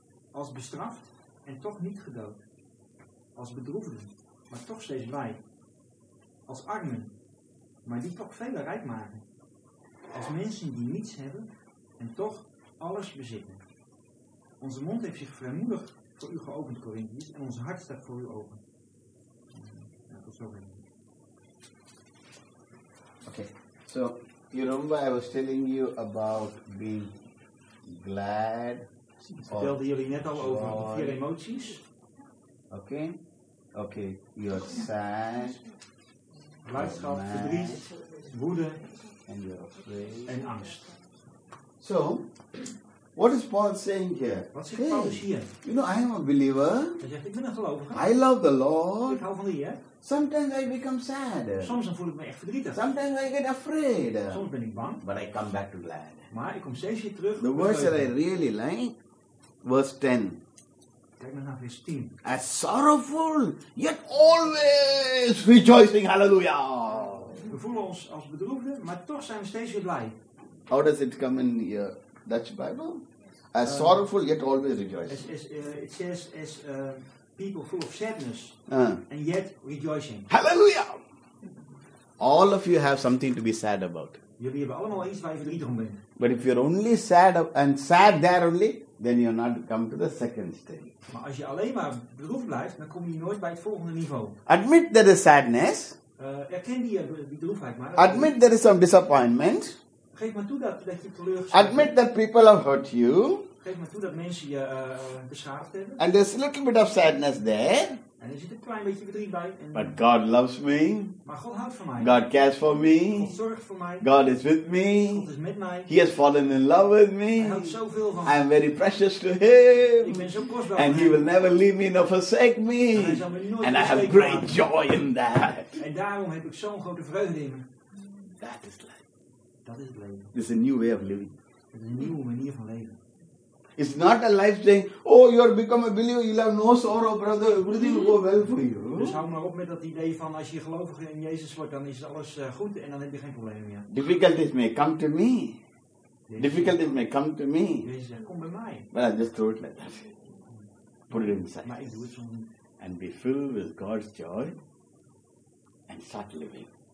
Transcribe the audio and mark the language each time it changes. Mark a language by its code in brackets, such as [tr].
[nl] Als bestraft en toch niet gedood. Als bedroefden, maar toch steeds blij. Als armen. Maar die toch veel rijk maken. Als mensen die niets hebben en toch alles bezitten. Onze mond heeft zich vrijmoedig voor u geopend, Corinthiërs, en ons hart staat voor u open. Ja, tot zover. [en] Okay. So, you remember I was telling you about being glad [nl] vertelden jullie net al over de vier emoties. [en] Oké. You're sad. [nl] Blijdschap, verdriet, woede. [en] And you're afraid. [nl] En angst. [en] So, what is Paul saying here? [nl] Wat zegt Paulus hier? [en] You know, I am a believer. [nl] Zegt, ik ben een gelovige. [en] I love the Lord. [nl] Ik hou van die, hè? [en] Sometimes I become sad. [nl] Soms dan voel ik me echt verdrietig. [en] Sometimes I get afraid. [nl] Soms ben ik bang. [en] But I come back to glad. [nl] Maar ik kom steeds weer terug. [en] The verse that I really like, verse 10. [nl] Kijk maar naar vers 10. [en] As sorrowful, yet always rejoicing, hallelujah. [nl] We voelen ons als bedroefde, maar toch zijn we steeds weer blij. [en] How does it come in your Dutch Bible? As sorrowful, yet always rejoicing. It says as people full of sadness, and yet rejoicing. Hallelujah! All of you have something to be sad about. [nl] Jullie hebben allemaal iets waar je verdrietig om bent. [en] But if you're only sad and sad there only, then you're not come to the second stage. [nl] Maar als je alleen maar bedroefd blijft, dan kom je nooit bij het volgende niveau. [en] Admit that there is sadness. [nl] Erken die bedroefheid maar. [en] Admit there is some disappointment. [nl] Geef maar toe dat je teleurgesteld. [en] Admit that people have hurt you. [nl] Geef maar toe dat mensen je beschaafd hebben. [en] And there's a little bit of sadness there. [nl] En er zit een klein beetje verdriet bij. [en] But God loves me. [nl] Maar God houdt van mij. [en] God cares for me. [nl] God zorgt voor mij. [en] God is with me. [nl] God is met mij. [en] He has fallen in love with me. [nl] Hij houdt zoveel van [en] me. I am very precious to him. [nl] Ik ben zo kostbaar. [en] And he will never leave me nor forsake me. [nl] En hij zal me nooit [en] And I have great joy in that. [nl] En daarom heb ik zo'n grote vreugde in me. [en] That is life. [nl] Dat is leven. [en] It's a new way of living. [nl] Het is een nieuwe manier van leven. [en] It's not a life saying, oh, you have become a believer, you have no sorrow, brother, everything will go well for you. [nl] Dus hou maar op met dat idee van, als je gelovig in Jezus wordt, dan is alles goed en dan heb je geen problemen meer. [en] Difficulties may come to me. Jezus. Difficulties may come to me. [nl] Jezus zegt, kom bij mij. [en] But I just throw it like that. Put it inside. [nl] Maar ik doe het zo niet. [en] And be filled with God's joy and start living.